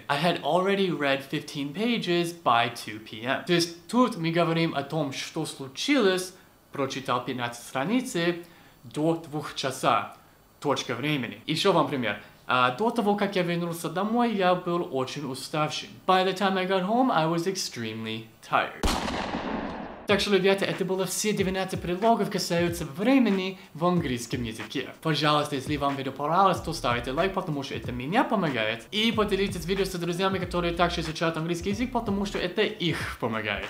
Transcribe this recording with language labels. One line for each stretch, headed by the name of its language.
English: I had already read 15 pages by 2 p.m.
Russian: То есть тут мы говорим о том, что случилось, прочитал 15 страниц, до 2 часа, точка времени. Еще вам пример. До того, как я вернулся домой, я был очень уставшим.
English: By the time I got home, I was extremely tired.
Russian: Так что, ребята, это было все 19 предлогов, касаются времени в английском языке. Пожалуйста, если вам видео понравилось, то ставьте лайк, потому что это меня помогает. И поделитесь видео с друзьями, которые также изучают английский язык, потому что это их помогает.